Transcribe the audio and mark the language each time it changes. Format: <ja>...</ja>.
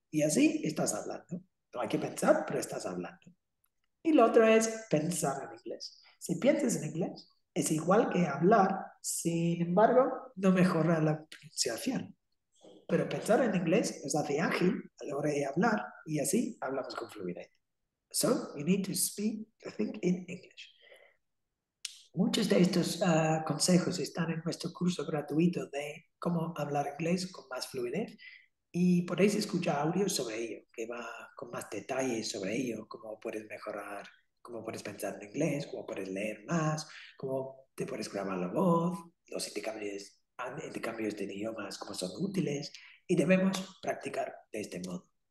<es>Y así estás hablando. No hay que pensar, pero estás hablando. Y lo otro es pensar en inglés. Si piensas en inglés, es igual que hablar, sin embargo, no mejora la pronunciación. Pero pensar en inglés nos hace ágil a la hora de hablar y así hablamos con fluidez.</es> <en>So, you need to speak to think in English.</en> <es>Muchos de estos consejos están en nuestro curso gratuito de cómo hablar inglés con más fluidez y podéis escuchar audio sobre ello, que va con más detalles sobre ello, cómo puedes mejorar cómo puedes pensar en inglés, cómo puedes leer más, cómo te puedes grabar la voz, los intercambios de idiomas, cómo son útiles, y debemos practicar de este modo.</es>